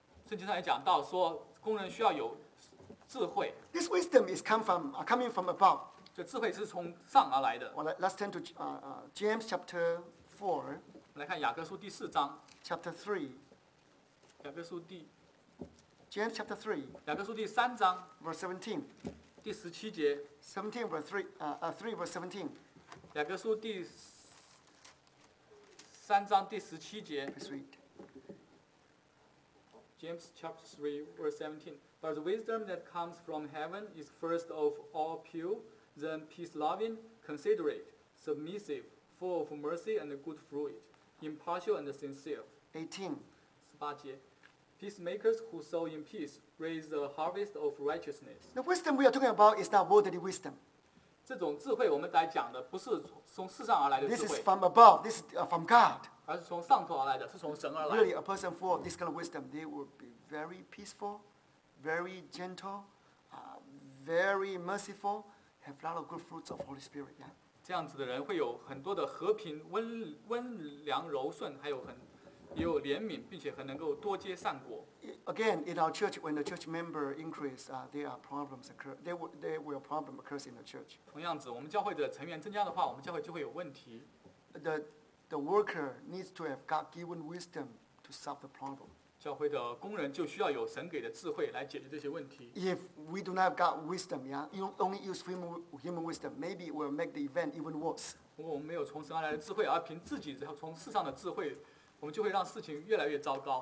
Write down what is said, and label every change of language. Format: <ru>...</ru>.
<zh>圣经上也讲到说，工人需要有。</zh> <en>This wisdom is coming from above.</en> <zh>这智慧是从上而来的。</zh> <en>Let's turn to James chapter 4.</en> <zh>我们来看雅各书第四章。</zh> <en>Chapter 3.</en> <zh>雅各书第</zh> <en>James chapter 3.</en> <zh>雅各书第三章</zh> <en>verse 17.</en> <zh>第十七节</zh> <en>17 verse 3, 3 verse 17.</en> <zh>雅各书第三章第十七节</zh> <en>Please read. James chapter 3 verse 17. But the wisdom that comes from heaven is first of all pure, then peace-loving, considerate, submissive, full of mercy and good fruit, impartial and sincere. 18.</en> <zh>十八节</zh> <en>Peacemakers who sow in peace raise the harvest of righteousness. The wisdom we are talking about is not worldly wisdom.</en> <zh>这种智慧我们来讲的不是从世上而来的智慧。</zh> <en>This is from above. This is from God.</en> <zh>而是从上头而来的，是从神而来的。</zh> <en>Really, a person full of this kind of wisdom, they will be very peaceful, very gentle, very merciful, have a lot of good fruits of Holy Spirit. Yeah.</en> <zh>这样子的人会有很多的和平、温良、柔顺，还有很。也有怜悯，并且很能够多结善果。</zh> <en>Again, in our church, when the church member increase, there are problems occur. There will problem occur in the church.</en> <zh>同样子，我们教会的成员增加的话，我们教会就会有问题。</zh> <en>The worker needs to have God-given wisdom to solve the problem.</en> <zh>教会的工人就需要有神给的智慧来解决这些问题。</zh> <en>If we do not have God wisdom, yeah, you only use human wisdom, maybe it will make the event even worse.</en> <zh>如果我们没有从神而来的智慧，而凭自己从世上的智慧。我们就会让事情越来越糟糕。</zh>